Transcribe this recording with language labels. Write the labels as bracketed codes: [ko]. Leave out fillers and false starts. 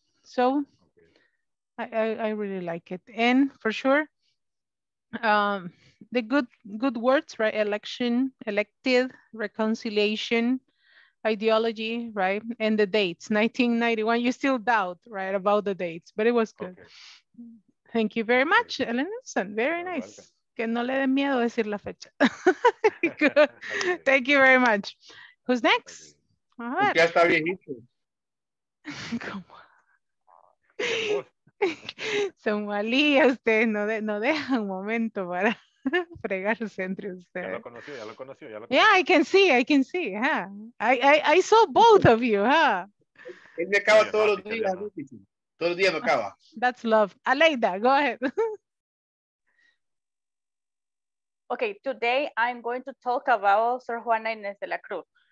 [en] So I really like it. And for sure, the good words, right? Election, elected, reconciliation, ideology, right? And the dates, 1991, you still doubt, right, about the dates, but it was good. Okay. Thank you very much, Ellen Nilsson. Very nice. [es] Que no le den miedo decir la fecha. [en] Good. Thank you very much. Who's next? [es] Ya está viejito. ¿Cómo? Son malías ustedes, no dejan momento para fregarse entre ustedes. Ya lo conocí. [en] Yeah, I can see, huh? I saw both of you, huh? [es] Él me acaba todos los días me acaba. [en] That's love. Aleida, go ahead. Okay, today I'm going to talk about Sor Juana Inés de la Cruz.